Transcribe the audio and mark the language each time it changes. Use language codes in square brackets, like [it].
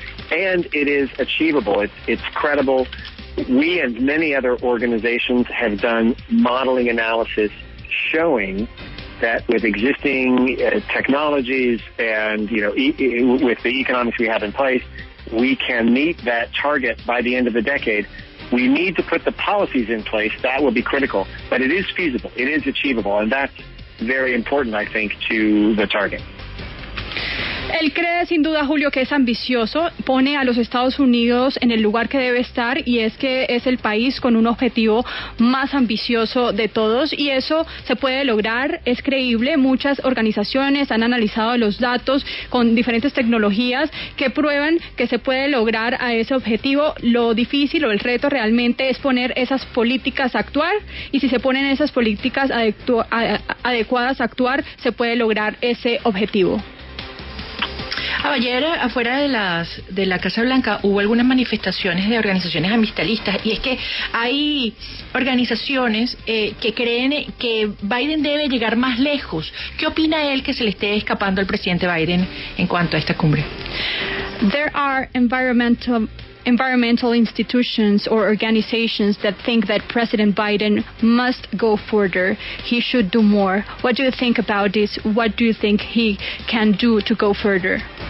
[en] And it is achievable. It's credible. We and many other organizations have done modeling analysis showing that with existing technologies and, you know, with the economics we have in place, we can meet that target by the end of the decade. We need to put the policies in place. That will be critical. But it is feasible. It is achievable. And that's very important, I think, to the target. [es] Él cree, sin duda, Julio, que es ambicioso, pone a los Estados Unidos en el lugar que debe estar, y es que es el país con un objetivo más ambicioso de todos, y eso se puede lograr, es creíble. Muchas organizaciones han analizado los datos con diferentes tecnologías que prueban que se puede lograr a ese objetivo. Lo difícil o el reto realmente es poner esas políticas a actuar, y si se ponen esas políticas adecuadas a actuar, se puede lograr ese objetivo. Ayer, afuera de la Casa Blanca, hubo algunas manifestaciones de organizaciones ambientalistas, y es que hay organizaciones que creen que Biden debe llegar más lejos. ¿Qué opina él que se le esté escapando al presidente Biden en cuanto a esta cumbre? [en] There are environmental institutions or organizations that think that President Biden must go further. He should do more. What do you think about this? What do you think he can do to go further?